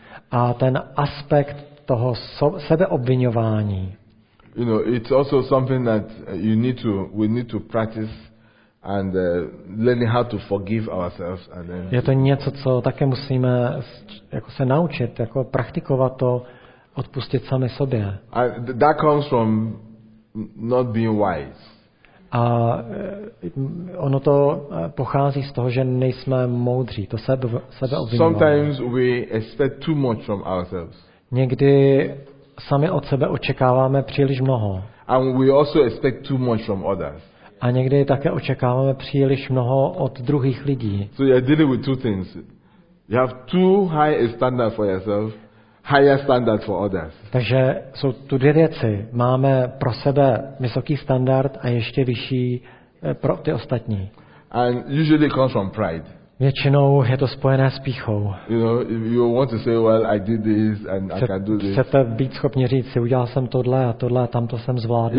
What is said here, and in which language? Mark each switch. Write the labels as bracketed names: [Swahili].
[Czech] A ten aspekt toho sebeobviňování. [English] You know, it's also something that we need to practice and learning how to forgive ourselves and then. [Czech] Je to něco, co také musíme jako se naučit, jako praktikovat to, odpustit sami sobě. [English] And that comes from not being wise. [Czech] A ono to pochází z toho, že nejsme moudří, to sebeobviňování. [English] Sometimes we expect too much from ourselves. [Czech] Někdy sami od sebe očekáváme příliš mnoho. [English] And we also expect too much from others. [Czech] A někdy také očekáváme příliš mnoho od druhých lidí. [English] So you're dealing with two things. You have too high a standard for yourself, higher standard for others. [Czech] Takže jsou tu dvě věci. Máme pro sebe vysoký standard a ještě vyšší pro ty ostatní. [English] And usually it comes from pride. [Czech] Většinou je to spojené s pýchou. [English] You know, you want to say, well, I did this and I can do this. [Czech] Chcete být schopni říct, si udělal jsem tohle a tohle, a tamto jsem zvládl.